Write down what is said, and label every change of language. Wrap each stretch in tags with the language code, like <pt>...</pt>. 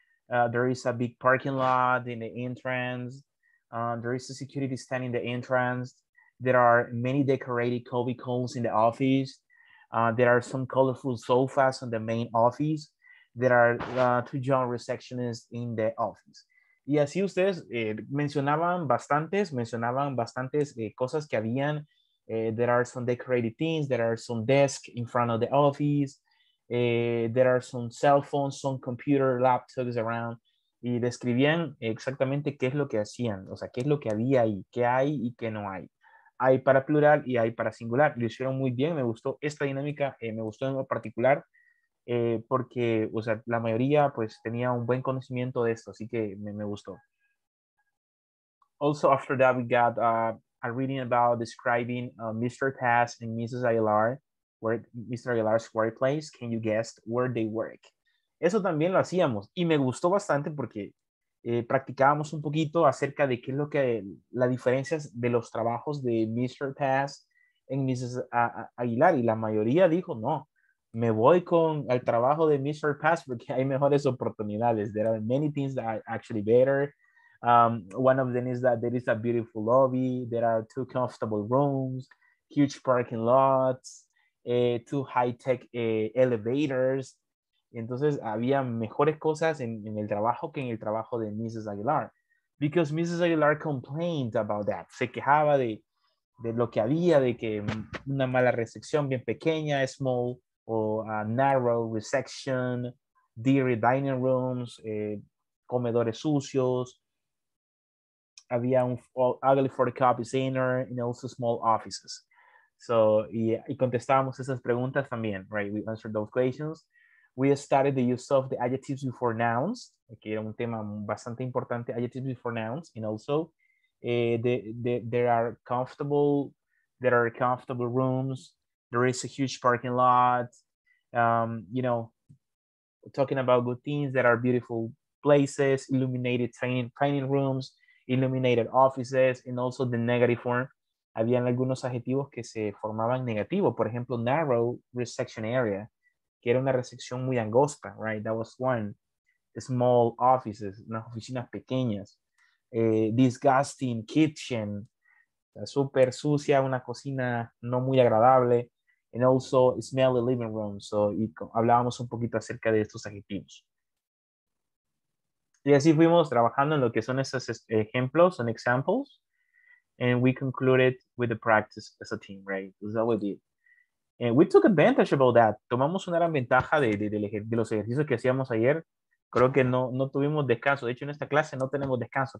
<en>There is a big parking lot in the entrance. There is a security stand in the entrance. There are many decorated cubicles in the office. There are some colorful sofas in the main office. There are two young receptionists in the office.</en> <es>Y así ustedes mencionaban bastantes cosas que habían.</es> <en>There are some decorated things. There are some desks in front of the office. There are some cell phones, some computer laptops around.</en> <es>Y describían exactamente qué es lo que hacían. O sea, qué es lo que había ahí, qué hay y qué no hay. Hay para plural y hay para singular. Lo hicieron muy bien. Me gustó esta dinámica. Me gustó en lo particular porque, o sea, la mayoría pues tenía un buen conocimiento de esto. Así que me gustó.</es> <en>Also, after that, we got a reading about describing Mr. Tass and Mrs. Aguilar. Where Mr. Aguilar's workplace, can you guess where they work?</en> <es>Eso también lo hacíamos y me gustó bastante porque practicábamos un poquito acerca de qué es lo que las diferencias de los trabajos de Mr. Tass en Mrs. Aguilar y la mayoría dijo no, me voy con el trabajo de Mr. Tass porque hay mejores oportunidades.</es> <en>There are many things that are actually better. One of them is that there is a beautiful lobby, there are two comfortable rooms, huge parking lots, two high-tech elevators.</en> <es>Entonces, había mejores cosas en el trabajo que en el trabajo de Mrs. Aguilar.</es> <en>Because</en> <es>Mrs. Aguilar</es> <en>complained about that.</en> <es>Se quejaba de lo que había, de que una mala recepción bien pequeña,</es> <en>small or a narrow reception, dirty dining rooms,</en> <es>comedores sucios. Había un</es> <en>ugly photocopy center and also small offices. So,</en> <es>y contestamos esas preguntas también,</es> <en>right? We answered those questions. We started the use of the adjectives before nouns,</en> <es>que era un tema bastante importante,</es> <en>adjectives before nouns, and also there are comfortable rooms, there is a huge parking lot, you know, talking about good things, there are beautiful places, illuminated training rooms, illuminated offices, and also the negative form.</en> <es>Habían algunos adjetivos que se formaban negativo. Por ejemplo,</es> <en>narrow reception area,</en> <es>que era una recepción muy angosta,</es> <en>right? That was one. Small offices,</en> <es>unas oficinas pequeñas.</es> <en>Disgusting kitchen,</en> <es>súper sucia, una cocina no muy agradable.</es> <en>And also smelly living room.</en> <es>So, y hablábamos un poquito acerca de estos adjetivos. Y así fuimos trabajando en lo que son esos ejemplos, son examples.</es> <en>And we concluded with the practice as a team, right? That's what we did. And we took advantage of all that.</en> <es>Tomamos una gran ventaja de los ejercicios que hacíamos ayer. Creo que no tuvimos descanso. De hecho, en esta clase no tenemos descanso.</es>